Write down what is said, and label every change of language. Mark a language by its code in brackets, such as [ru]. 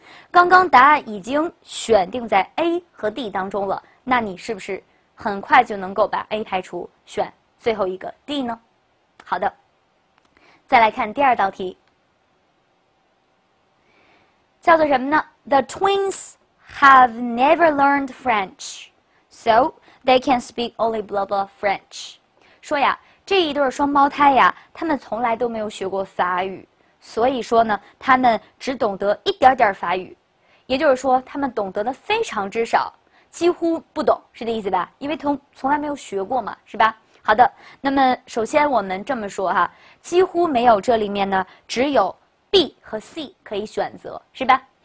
[zh] 刚刚答案已经选定在 A 和 D 当中了，那你是不是很快就能够把 A 排除，选最后一个 D 呢？好的，再来看第二道题，叫做什么呢？ [en] The twins have never learned French, so they can speak only blah blah French。 [zh] 说呀，这一对双胞胎呀，他们从来都没有学过法语，所以说呢，他们只懂得一点点法语，也就是说他们懂得的非常之少，几乎不懂，是这意思吧？因为从来没有学过嘛，是吧？好的，那么首先我们这么说哈，几乎没有，这里面呢只有 B 和 C 可以选择，是吧？